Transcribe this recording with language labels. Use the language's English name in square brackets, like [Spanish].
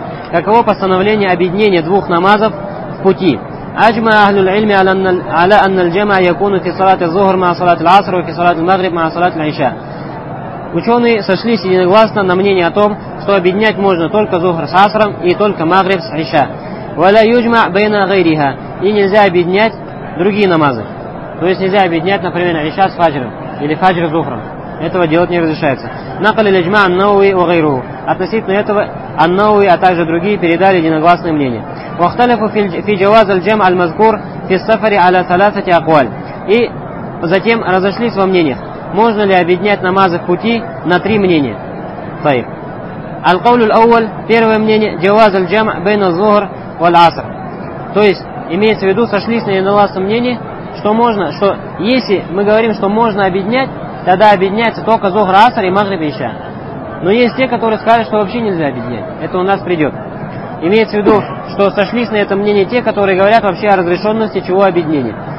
[Russian] Каково постановление объединения двух намазов в пути? [Arabic] أجمع أهل العلم على أن الجمع يكون في صلاة الظهر مع صلاة العصر وفي صلاة المغرب مع صلاة العشاء. [Russian] Ученые сошлись единогласно на мнении о том, что объединять можно только зухр с асром и только магриб с иша. [Arabic] ولا يجمع بين غيرها. [Russian] И нельзя объединять другие намазы. То есть нельзя объединять, например, иша с фаджром или фаджр с зухром. Этого делать не разрешается. [Arabic] نقل الإجماع عن النووي وغيره. [Russian] Относительно этого النووي, а также другие передали единогласное мнение. [Arabic] واختلف في جواز الجمع المذكور في السفر على ثلاثة أقوال. [Russian] И затем разошлись во мнениях, можно ли объединять намазы в пути на три мнения. [Arabic] طيب. القول الأول, [Russian] первое мнение, [Arabic] جواز الجمع بين الظهر والعصر. [Russian] То есть имеется в виду, сошлись на единогласном мнении, что можно, что если мы говорим, что можно объединять, тогда объединяется только зухр, аср и магриб и иша. Но есть те, которые скажут, что вообще нельзя объединять. Это у нас придет. Имеется в виду, что сошлись на это мнение те, которые говорят вообще о разрешенности чего объединения.